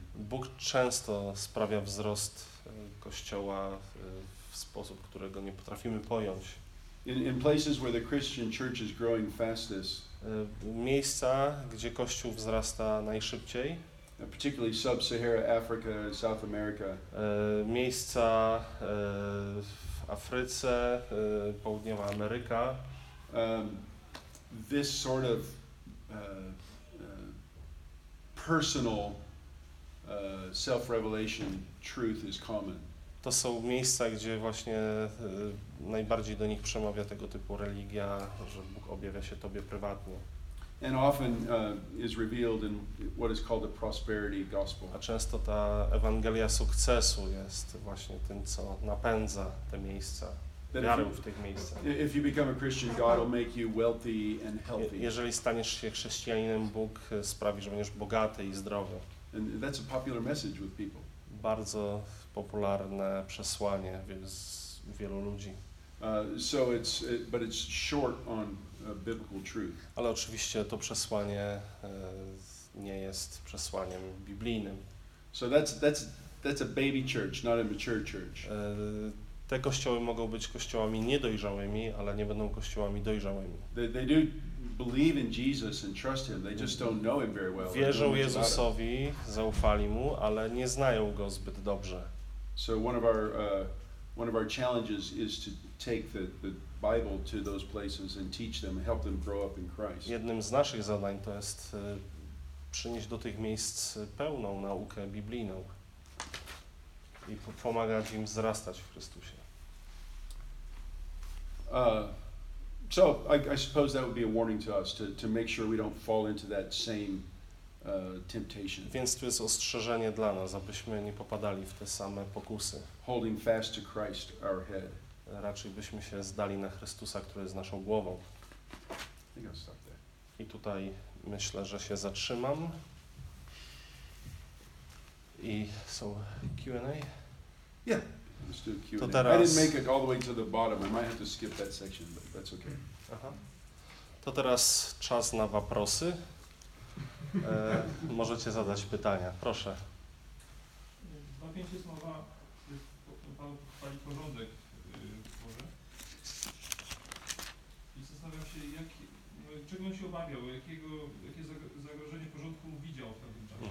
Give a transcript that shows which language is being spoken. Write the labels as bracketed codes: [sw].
[pl] Bóg często sprawia wzrost kościoła w sposób, którego nie potrafimy pojąć. [en] In places where the Christian church is growing fastest. [pl] Miejsca, gdzie kościół wzrasta najszybciej. [en] Particularly sub-Sahara Africa, South America. [pl] Miejsca w Afryce, południowa Ameryka. [en] This sort of personal self-revelation truth is common. [pl] To są miejsca, gdzie właśnie najbardziej do nich przemawia tego typu religia, że Bóg objawia się tobie prywatnie. [en] And often is revealed in what is called the prosperity gospel. [pl] A często ta Ewangelia sukcesu jest właśnie tym, co napędza te miejsca, wiarę w tych miejscach. [en] If you become a Christian, God will make you wealthy and healthy. [pl] Jeżeli staniesz się chrześcijaninem, Bóg sprawi, że będziesz bogaty i zdrowy. [en] And that's a popular message with people. [pl] Bardzo popularne przesłanie z wielu ludzi. [en] But it's short on biblical truth. [pl] Ale oczywiście to przesłanie nie jest przesłaniem biblijnym. [en] So that's a baby church, not a mature church. [pl] Te kościoły mogą być kościołami niedojrzałymi, ale nie będą kościołami dojrzałymi. [en] They do believe in Jesus and trust him. They just don't know him very well. [pl] Wierzą Jezusowi, zaufali mu, ale nie znają go zbyt dobrze. [en] So one of our challenges is to take the Bible to those places and teach them, help them grow up in Christ. [pl] Jednym z naszych zadań to jest przynieść do tych miejsc pełną naukę biblijną i pomagać im wzrastać w Chrystusie. [en] So I suppose that would be a warning to us to make sure we don't fall into that same temptation. [pl] Więc to jest ostrzeżenie dla nas, abyśmy nie popadali w te same pokusy. [en] Holding fast to Christ, our head. [pl] Raczej byśmy się zdali na Chrystusa, który jest naszą głową. I tutaj myślę, że się zatrzymam. I są Q&A? [en] Yeah. [pl] To teraz... [en] I didn't make it all the way to the bottom. I might have to skip that section, but that's okay. Aha. [pl] To teraz czas na waprosy. Możecie zadać pytania. Proszę. Dwa pięcie słowa. Pan chwali porządek w Boże. I zastanawiam się, czego on się obawiał? Jakie zagrożenie porządku widział w pewnym czasie?